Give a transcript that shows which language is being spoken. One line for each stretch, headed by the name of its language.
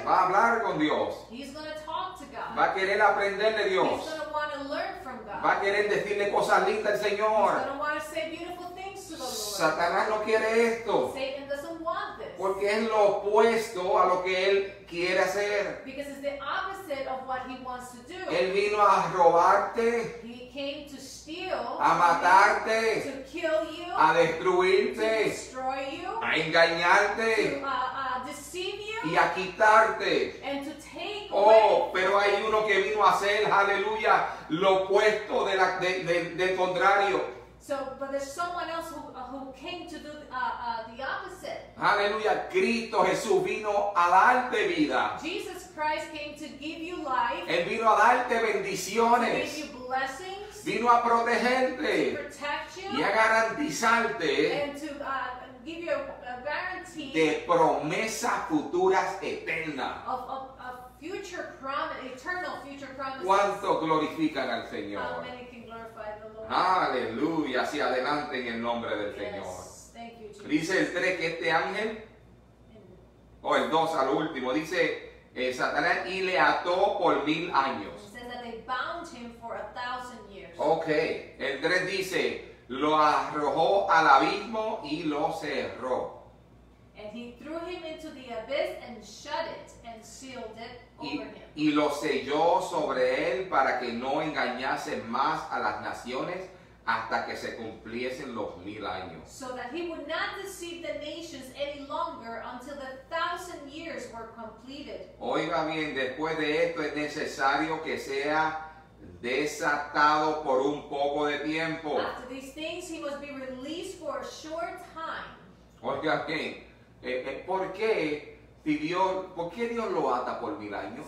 Spanish: va a hablar con Dios.
English: He's going to talk to God.
Spanish: Va a querer aprender de Dios.
English: He's going to want to learn from God.
Spanish: Va a querer decirle cosas lindas al Señor.
English: He's going to want to say beautiful things to the Lord.
Spanish: Satanás no quiere esto.
English: Satan doesn't want this.
Spanish: Porque es lo opuesto a lo que él quiere hacer.
English: Because it's the opposite of what he wants to do.
Spanish: Él vino a robarte.
English: He came to steal.
Spanish: A matarte.
English: To kill you.
Spanish: A destruirte.
English: To destroy you.
Spanish: A engañarte.
English: Deceive you.
Spanish: Y a quitarte.
English: And to take away.
Spanish: Oh, pero hay uno que vino a hacer, aleluya, lo opuesto de la, del contrario.
English: So, but there's someone else who came to do the opposite.
Spanish: Hallelujah. Cristo Jesús vino a darte vida.
English: Jesus Christ came to give you life.
Spanish: Él vino a darte bendiciones.
English: He gave you blessings.
Spanish: Vino a protegerte.
English: To protect you.
Spanish: Y a garantizarte.
English: And to give you a guarantee.
Spanish: De promesas futuras eternas.
English: Of future promise, eternal future promises.
Spanish: ¿Cuánto glorifican al Señor?
English: How many can glorify the Lord?
Spanish: Aleluya, hacia adelante en el nombre del Señor. Dice el 3 que este ángel, o el 2 al último, dice Satanás y le ató por 1,000 años.
English: He says that they bound him for 1,000 years.
Spanish: Ok, el 3 dice, lo arrojó al abismo y lo cerró.
English: And he threw him into the abyss and shut it and sealed it over him.
Spanish: Y lo selló sobre él para que no engañase más a las naciones hasta que se cumpliesen los 1,000 años.
English: So that he would not deceive the nations any longer until the 1,000 years were completed.
Spanish: Oiga bien, después de esto es necesario que sea desatado por un poco de tiempo.
English: After these things he must be released for a short time.
Spanish: Oiga bien, ¿por qué? Si Dios, ¿por qué Dios lo ata por 1,000 años?